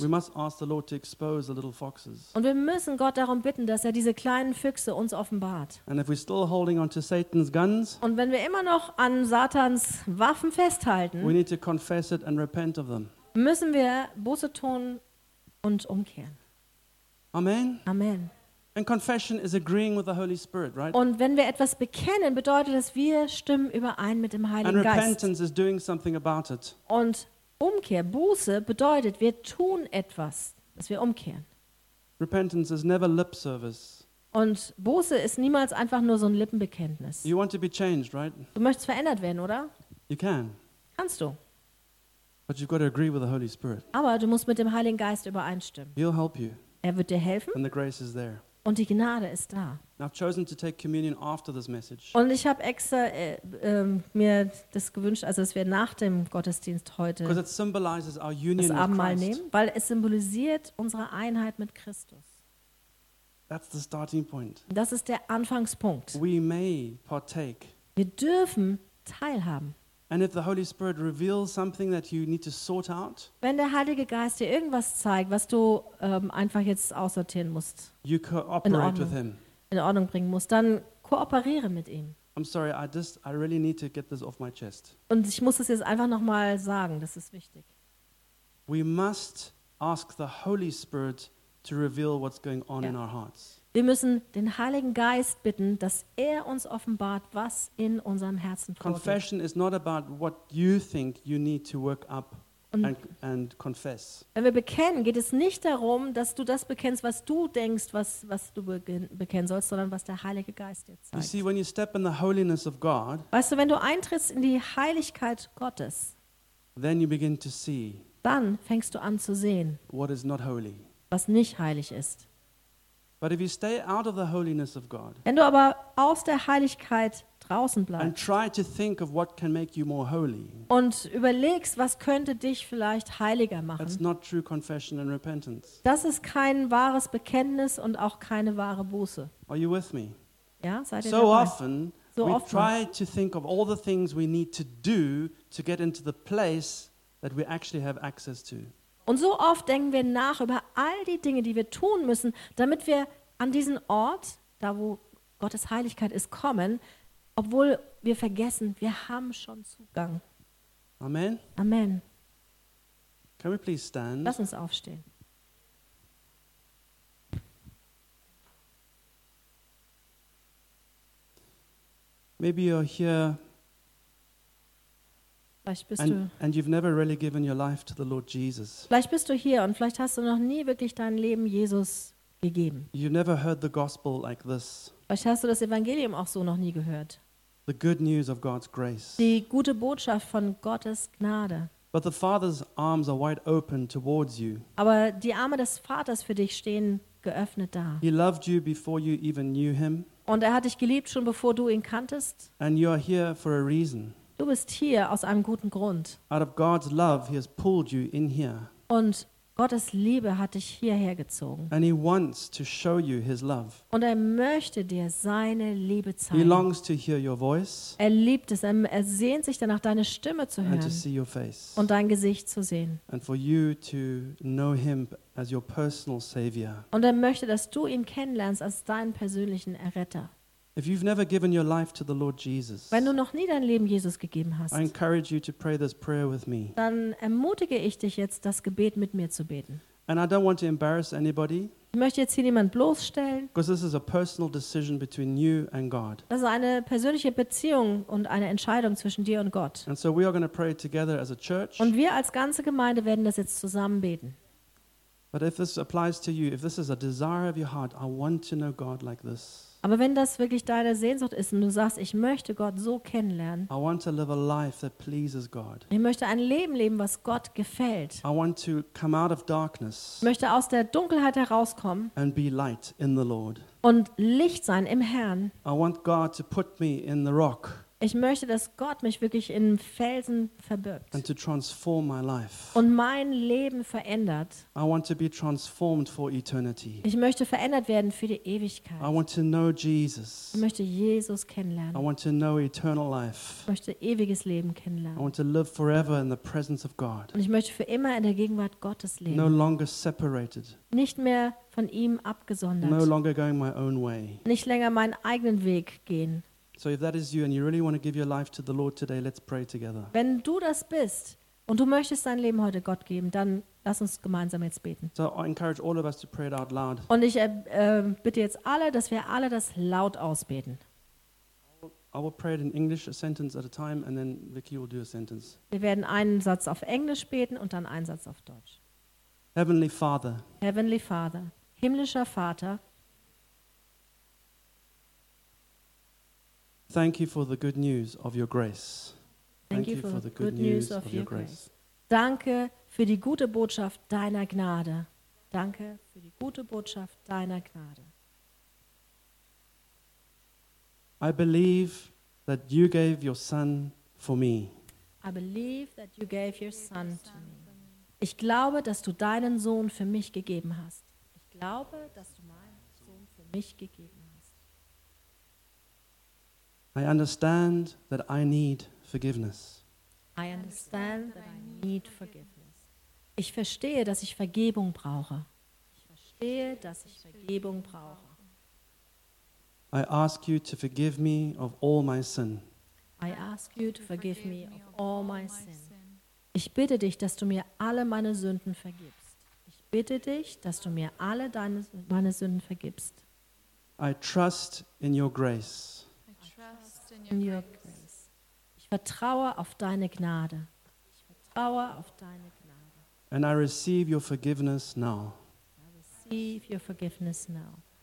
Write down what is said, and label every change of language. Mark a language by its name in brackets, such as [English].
[English] We must ask the Lord to expose the little foxes. [German] Und wir müssen Gott darum bitten, dass er diese kleinen Füchse uns offenbart. [English] And if we're still holding on to Satan's guns, [German] und wenn wir immer noch an Satans Waffen festhalten, [English] we need to confess it and repent of them. [German] Müssen wir Buße tun und umkehren. [English] Amen. [German] Amen. [English] And confession is agreeing with the Holy Spirit, right? [German] Und wenn wir etwas bekennen, bedeutet das, wir stimmen überein mit dem Heiligen [English] and [German] Geist. [English] And repentance is doing something about it. [German] Und Umkehr, Buße bedeutet, wir tun etwas, dass wir umkehren. [English] Repentance is never lip service. [German] Und Buße ist niemals einfach nur so ein Lippenbekenntnis. [English] You want to be changed, right? [German] Du möchtest verändert werden, oder? [English] You can. [German] Kannst du. [English] But you've got to agree with the Holy Spirit. [German] Aber du musst mit dem Heiligen Geist übereinstimmen. [English] He'll help you. [German] Er wird dir helfen. [English] And the grace is there. [German] Und die Gnade ist da. [English] I've chosen to take communion after this message. [German] Und ich habe extra mir das gewünscht, also dass wir nach dem Gottesdienst heute [English] because it symbolizes our union [German] das Abendmahl [English] with Christ. [German] Nehmen, weil es symbolisiert unsere Einheit mit Christus. [English] That's the starting point. [German] Das ist der Anfangspunkt. [English] We may partake. [German] Wir dürfen teilhaben. [English] And if the Holy Spirit reveals something that you need to sort out, [German] wenn der Heilige Geist dir irgendwas zeigt, was du einfach jetzt aussortieren musst, [English] you cooperate [German] in Ordnung, [English] with him. [German] In Ordnung bringen musst, dann kooperiere mit ihm. [English] I'm sorry, I really need to get this off my chest. [German] Und ich muss es jetzt einfach nochmal sagen, das ist wichtig. [English] We must ask the Holy Spirit to reveal what's going on in our hearts. [German] Wir müssen den Heiligen Geist bitten, dass er uns offenbart, was in unserem Herzen vorgeht. [English] Confession is not about what you think you need to work up and confess. [German] Wenn wir bekennen, geht es nicht darum, dass du das bekennst, was du denkst, was du bekennen sollst, sondern was der Heilige Geist dir zeigt. [English] You see, when you step in the holiness of God, [German] weißt du, wenn du eintrittst in die Heiligkeit Gottes, [English] then you begin to see, [German] dann fängst du an zu sehen, [English] what is not holy. [German] Was nicht heilig ist. [English] But if you stay out of the holiness of God, [German] wenn du aber aus der Heiligkeit draußen bleibt. [English] And try to think of what can make you more holy. [German] Und überlegst, was könnte dich vielleicht heiliger machen. [English] That's not true confession and repentance. [German] Das ist kein wahres Bekenntnis und auch keine wahre Buße. [English] Are you with me? [German] Ja, seid ihr so dabei? [English] Often so we [German] oftmals. [English] Try to think of all the things we need to do to get into the place that we actually have access to. [German] Und so oft denken wir nach über all die Dinge, die wir tun müssen, damit wir an diesen Ort, da wo Gottes Heiligkeit ist, kommen, obwohl wir vergessen, wir haben schon Zugang. [English] Amen. [German] Amen. [English] Can we please stand? [German] Lass uns aufstehen. [English] Maybe you're here. [German] Vielleicht bist du, [English] and you've never really given your life to the Lord Jesus. [German] Vielleicht bist du hier und vielleicht hast du noch nie wirklich dein Leben Jesus gegeben. [English] You've never heard the gospel like this. [German] Vielleicht hast du das Evangelium auch so noch nie gehört. [English] The good news of God's grace. [German] Die gute Botschaft von Gottes Gnade. [English] But the Father's arms are wide open towards you. [German] Aber die Arme des Vaters für dich stehen geöffnet da. [English] He loved you before you even knew him. [German] Und er hat dich geliebt schon bevor du ihn kanntest. [English] And you are here for a reason. [German] Du bist hier aus einem guten Grund. [English] Out of God's love, he has pulled you in here. [German] Und Gottes Liebe hat dich hierher gezogen. [English] And he wants to show you his love. [German] Und er möchte dir seine Liebe zeigen. [English] He longs to hear your voice. [German] Er liebt es, er sehnt sich danach, deine Stimme zu hören. [English] And to see your face. [German] Und dein Gesicht zu sehen. [English] And for you to know him as your personal savior. [German] Und er möchte, dass du ihn kennenlernst als deinen persönlichen Erretter. [English] If you've never given your life to the Lord Jesus, [German] wenn du noch nie dein Leben Jesus gegeben hast, [English] I encourage you to pray this prayer with me. [German] Dann ermutige ich dich jetzt, das Gebet mit mir zu beten. [English] And I don't want to embarrass anybody. [German] Ich möchte jetzt hier niemanden bloßstellen. [English] Because this is a personal decision between you and God. [German] Das ist eine persönliche Beziehung und eine Entscheidung zwischen dir und Gott. [English] And so we are going to pray together as a church. [German] Und wir als ganze Gemeinde werden das jetzt zusammen beten. [English] But if this applies to you, if this is a desire of your heart, I want to know God like this. [German] Aber wenn das wirklich deine Sehnsucht ist und du sagst, ich möchte Gott so kennenlernen. [English] I want to live a life that pleases God. [German] Ich möchte ein Leben leben, was Gott gefällt. [English] I want to come out of darkness. [German] Ich möchte aus der Dunkelheit herauskommen. [English] And be light in the Lord. [German] Und Licht sein im Herrn. [English] I want God to put me in the rock. [German] Ich möchte, dass Gott mich wirklich in Felsen verbirgt. [English] And to transform my life. [German] Und mein Leben verändert. [English] I want to be transformed for eternity. [German] Ich möchte verändert werden für die Ewigkeit. [English] I want to know Jesus. [German] Ich möchte Jesus kennenlernen. [English] I want to know eternal life. [German] Ich möchte ewiges Leben kennenlernen. [English] I want to live forever in the presence of God. [German] Und ich möchte für immer in der Gegenwart Gottes leben. [English] No longer separated. [German] Nicht mehr von ihm abgesondert. [English] No longer going my own way. [German] Nicht länger meinen eigenen Weg gehen. [English] So if that is you and you really want to give your life to the Lord today, let's pray together. [German] Wenn du das bist und du möchtest dein Leben heute Gott geben, dann lass uns gemeinsam jetzt beten. [English] So I encourage all of us to pray it out loud. [German] Und ich bitte jetzt alle, dass wir alle das laut ausbeten. [English] I will pray it in English, a sentence at a time, and then Vicky will do a sentence. [German] Wir werden einen Satz auf Englisch beten und dann einen Satz auf Deutsch. [English] Heavenly Father. Heavenly Father. [German] Himmlischer Vater. [English] Thank you for the good news of your grace. Thank you for the good news of your grace. [German] Danke für die gute Botschaft deiner Gnade. Danke für die gute Botschaft deiner Gnade. [English] I believe that you gave your son for me. I believe that you gave your son to me. [German] Ich glaube, dass du deinen Sohn für mich gegeben hast. Ich glaube, dass du meinen Sohn für mich gegeben hast. [English] I understand that I need forgiveness. I understand that I need forgiveness. [German] Ich verstehe, dass ich Vergebung brauche. Ich verstehe, dass ich Vergebung brauche. [English] I ask you to forgive me of all my sin. I ask you to forgive me of all my sin. [German] Ich bitte dich, dass du mir alle meine Sünden vergibst. Ich bitte dich, dass du mir alle meine Sünden vergibst. [English] I trust in your grace. In your grace. [German] Ich vertraue auf deine Gnade. Ich vertraue auf deine Gnade. [English] And I receive your forgiveness now. I receive your forgiveness now.